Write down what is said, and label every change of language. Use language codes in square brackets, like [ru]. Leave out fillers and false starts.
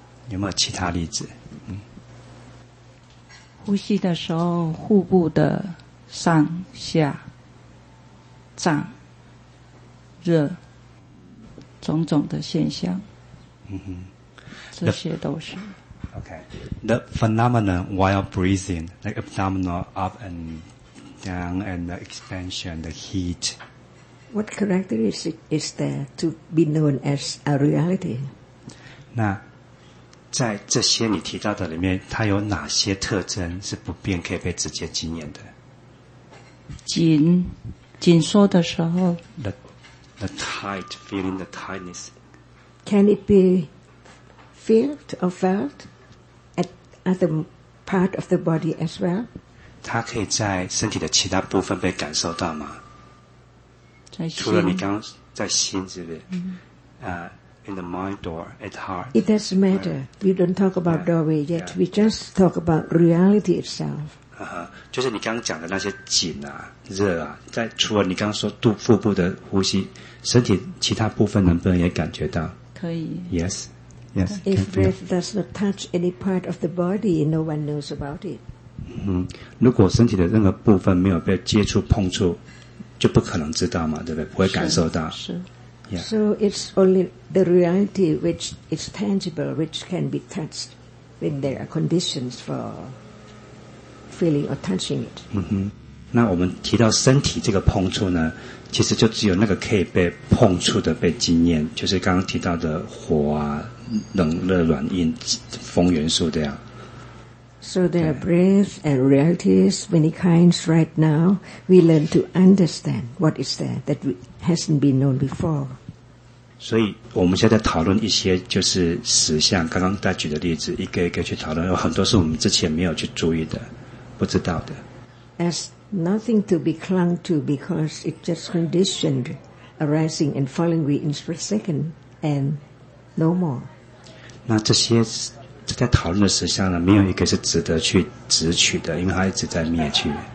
[zh] 有没有其他例子？呼吸的时候，腹部的上下胀热种种的现象，这些都是 [en] okay. The phenomenon while breathing, the abdominal up and down and the expansion, the heat. What characteristic is there to be known as a reality? [zh] 那在这些你提到的里面，它有哪些特征是不变可以被直接经验的？紧缩的时候 [en] the tight, feeling the tightness. Can it be felt or felt at other part of the body as well? [zh] 它可以在身体的其他部分被感受到吗？除了你刚在心这边、 [en] in the mind or at heart. It doesn't matter. We don't talk about doorway yet. Yeah. We just talk about reality itself. [zh] 就是你刚刚讲的那些紧啊热啊，在除了你刚刚说肚腹部的呼吸，身体其他部分能不能也感觉到？可以。 [en] Yes. If breath does not touch any part of the body, no one knows about it. [zh] 如果身体的任何部分没有被接触碰触，就不可能知道嘛，对不对？不会感受到。是。 [en] Yeah. So it's only the reality which is tangible, which can be touched when there are conditions for. Feeling or touching it. [zh] 那我们提到身体这个碰触呢，其实就只有那个可以被碰触的被经验，就是刚刚提到的火啊、冷热软硬、风元素这样。 [en] So there are breath and realities, many kinds right now. We learn to understand what is there that hasn't been known before. [zh] 所以我们现在讨论一些就是实相，刚刚大举的例子，一个一个去讨论，有很多是我们之前没有去注意的，不知道的。 [en] There's nothing to be clung to because it's just conditioned, arising and falling within a second and no more. [zh] 那这些在讨论的实相呢，没有一个是值得去执取的，因为它一直在灭去。